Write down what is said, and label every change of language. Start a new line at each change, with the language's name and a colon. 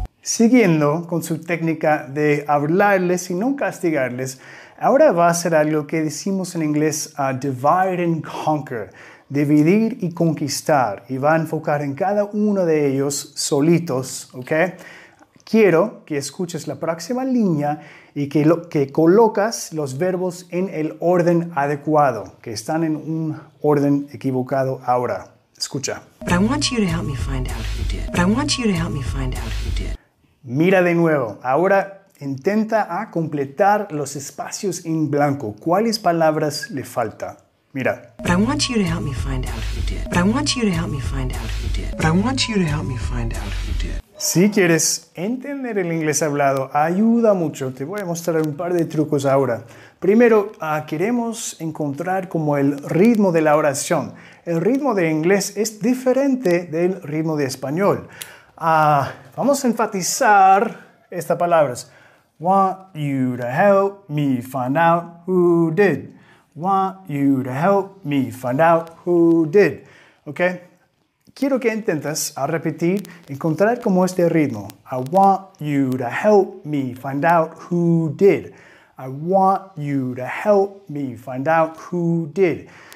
Spanish: Siguiendo con su técnica de hablarles y no castigarles, ahora va a hacer algo que decimos en inglés
English: divide and conquer,
Spanish: dividir y conquistar, y va a enfocar en cada uno de ellos solitos, ¿ok? Quiero que escuches la próxima línea y que colocas los verbos en el orden adecuado, que están en un orden equivocado ahora. Escucha.
English: But I want you to help me find out who did. But I want you to help me find out who did.
Spanish: Mira de nuevo. Ahora intenta a completar los espacios en blanco. ¿Cuáles palabras le falta? Mira.
English: But I want you to help me find out who did. But I want you to help me find out who did. But I want you to help me find out who did.
Spanish: Si quieres entender el inglés hablado, ayuda mucho. Te voy a mostrar un par de trucos ahora. Primero, queremos encontrar como el ritmo de la oración. El ritmo de inglés es diferente del ritmo de español. Vamos a enfatizar estas palabras.
English: Want you to help me find out who did. Want you to help me find out who did. ¿Ok?
Spanish: Quiero que intentes a repetir, encontrar como este ritmo.
English: I want you to help me find out who did. I want you to help me find out who did.